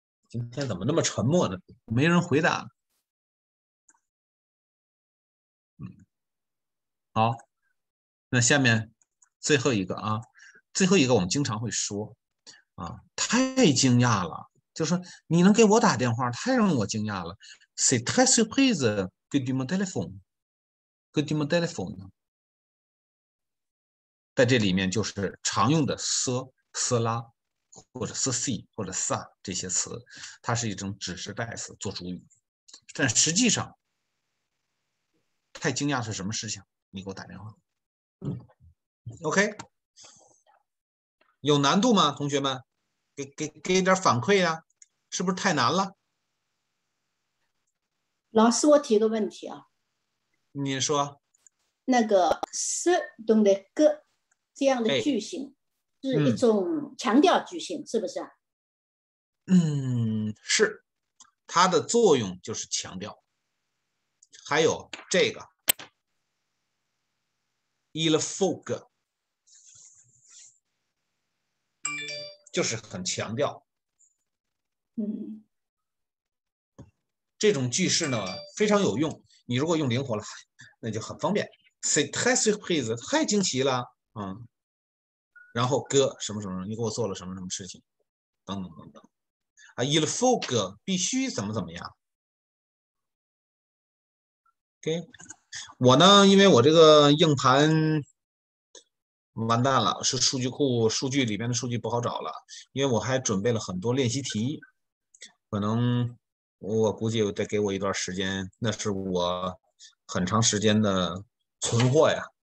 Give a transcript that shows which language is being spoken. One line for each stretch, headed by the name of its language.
Chinese: 今天怎么那么沉默呢？没人回答。好，那下面最后一个啊，最后一个我们经常会说啊，太惊讶了，就是说你能给我打电话太让我惊讶了。
French: C'est très surprise que tu me téléphones, que tu me téléphones。
Chinese: 在这里面就是常用的 se, cela, 或者 ceci, 或者 ça, 这些词它是一种指示代词做主语。但实际上太惊讶是什么事情，你给我打电话。 OK, 有难度吗，同学们？给点反馈啊，是不是太难了？老师，我提个问题啊。你说。那个 se, 懂得 ge。这样的句型是一种强调句型，嗯，是不是？嗯，是，它的作用就是强调。还有这个 il faut, 就是很强调。嗯，这种句式呢非常有用，你如果用灵活了那就很方便。
French: c'est très surprise,
Chinese: 太惊奇了。嗯，然后哥什么什么，你给我做了什么什么事情，等等等等，啊 ，il faut 哥必须怎么怎么样 ，OK, 我呢，因为我这个硬盘完蛋了，是数据库数据里面的数据不好找了，因为我还准备了很多练习题，可能我估计得给我一段时间，那是我很长时间的存货呀。